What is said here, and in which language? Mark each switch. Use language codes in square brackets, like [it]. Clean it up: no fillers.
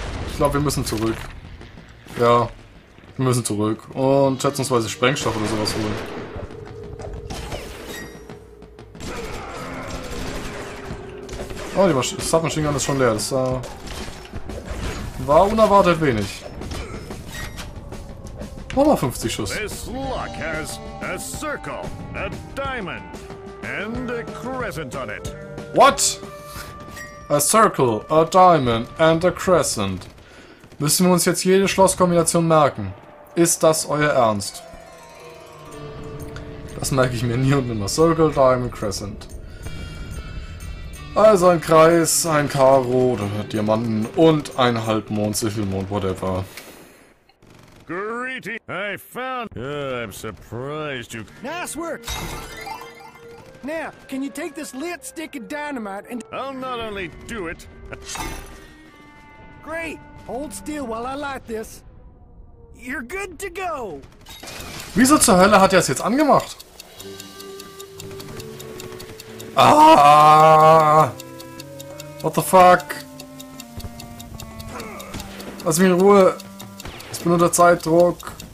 [de] Ich glaube, wir müssen zurück. Ja. Wir müssen zurück. Und schätzungsweise Sprengstoff oder sowas holen. Oh, die Submachine Gun ist schon leer. Das war unerwartet wenig. Nochmal 50 Schuss. [en] This lock has a circle, a diamond, and a crescent on it. What? A circle, a diamond, and a crescent. [de] Müssen wir uns jetzt jede Schlosskombination merken? Ist das euer Ernst? Das merke ich mir nie und nimmer. [en] Circle, Diamond, Crescent. [de] Also ein Kreis, ein Karo oder Diamanten und ein Halbmond, Sichelmond, whatever. [en] Greetings. I found. I'm surprised you. Nice work. Now, can you take this lit stick of dynamite and? I'll not only do it. Great. Hold still while I light this. You're good to go. [de] Wieso zur Hölle hat er es jetzt angemacht? [en] Ah! What the fuck? [de] Lass mich in Ruhe. Ich bin unter Zeitdruck.